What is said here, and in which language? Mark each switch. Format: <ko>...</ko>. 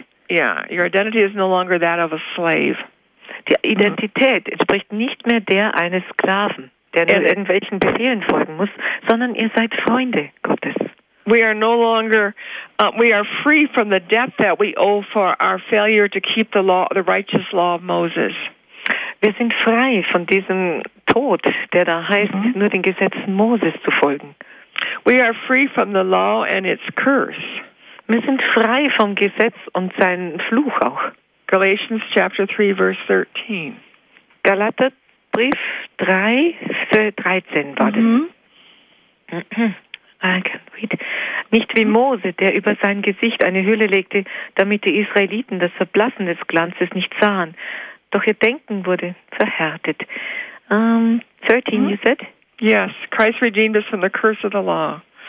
<en>Your identity is no longer that of a slave.</en> <de>Die Identität entspricht nicht mehr der eines Sklaven, der nur irgendwelchen Befehlen folgen muss, sondern ihr seid Freunde Gottes.</de> <en>We are no longer, we are free from the debt that we owe for our failure to keep the law, the righteous law of Moses.</en> <de>Wir sind frei von diesem Tod, der da heißt, nur den Gesetzen Moses zu folgen.</de> <en>We are free from the law and its curse.</en> <de>Wir sind frei vom Gesetz und seinen Fluch auch.</de> <en>Galatians chapter 3, verse 13.</en> <de>Galater Brief 3, Vers 13 war das.</de> <en>I can read.</en> <de>Nicht wie Mose, der über sein Gesicht eine Hülle legte, damit die Israeliten das Verblassen des Glanzes nicht sahen. Doch ihr Denken wurde verhärtet.</de> <en>13, you said? Yes, Christ redeemed us from the curse of the law.</en>